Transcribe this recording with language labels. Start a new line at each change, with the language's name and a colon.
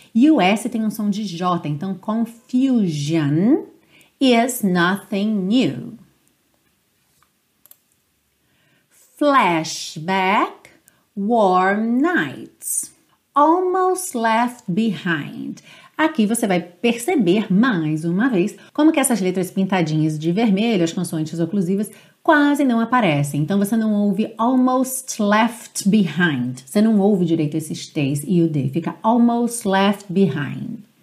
Portuguese: E o S tem um som de J, então
English: confusion is nothing new. Flashback, warm nights, almost left behind.
Portuguese: Aqui você vai perceber mais uma vez como que essas letras pintadinhas de vermelho, as consoantes oclusivas, quase não aparecem. Então você não ouve
English: almost left behind.
Portuguese: Você não ouve direito esses T's e o D.
English: Fica almost left behind.